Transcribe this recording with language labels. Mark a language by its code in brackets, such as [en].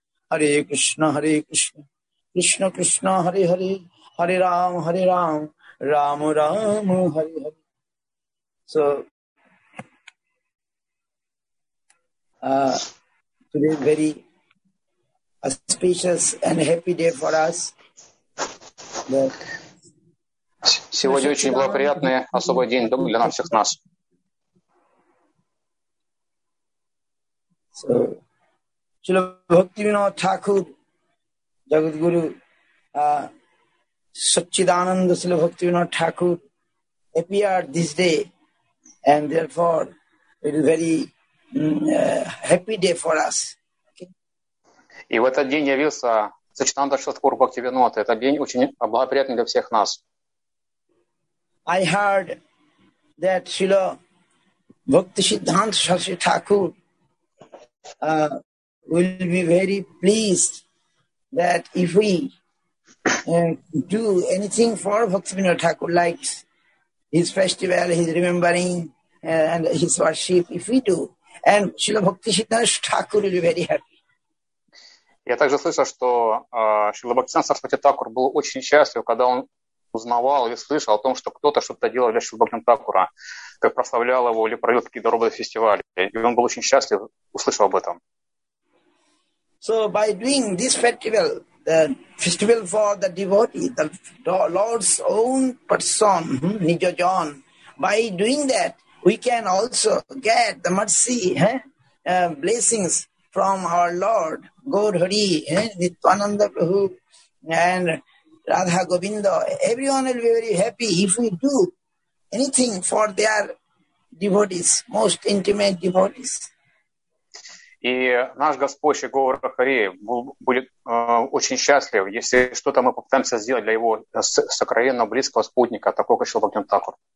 [sa] Hare Krishna Krishna Krishna Hare Hare, Hare Ram Hare Ram Ram Ram Hare Hare. [en] So today is very auspicious and happy day for us. [ru] Сегодня очень благоприятный особый день для нас всех нас. [en] Шрила Бхактивинода Тхакур, Джагадгуру, Саччидананда Шрила Бхактивинода Тхакур appeared this day, and therefore it is very happy day for us. [ru] И в этот день явился Саччидананда Шрила Бхактивинода. Это день очень благоприятный для всех нас. [en] I heard that Srila Bhaktisiddhanta Saraswati Thakur will be very pleased that if we do anything for Bhaktivinoda Thakur, like his festival, his remembering, and his worship, if we do, and Srila Bhaktisiddhanta Thakur will be very happy. [ru] Я также слышал, что Srila Bhaktisiddhanta Saraswati Thakur был очень счастлив, когда он узнавал или слышал о том, что кто-то что-то делал для Шрилы Бхактивинода Тхакура, как прославлял его или провел какие-то роботы фестивали. И он был очень счастлив, услышал об этом. [en] So by doing this festival, the festival for the devotee, the Lord's own person, Nijajan, by doing that, we can also get the mercy, blessings from our Lord, Godhari, Nityananda Prabhu, and Radha Govinda, everyone will be very happy if we do anything for their devotees, most intimate devotees. [ru] И наш Господь Гаурахари будет очень счастлив, если что-то мы попытаемся сделать для его сокровенного близкого спутника, такого Шрилы Бхактивинода Тхакур.